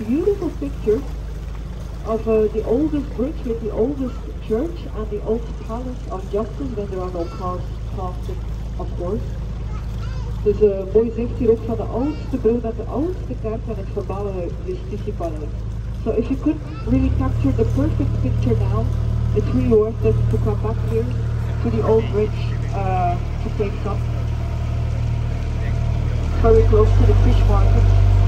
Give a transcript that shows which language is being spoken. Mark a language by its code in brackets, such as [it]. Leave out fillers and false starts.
[en] Of the oldest bridge with the oldest church and the old palace of justice, when there are no cars passing, of course. [nl] Dus een mooi zicht hier ook van de oudste brug met de oudste kerk en het verbale justitiepaleis. [en] So if you could really capture the perfect picture now, it's really worth it to come back here to the old bridge to take some. Very close to the fish market.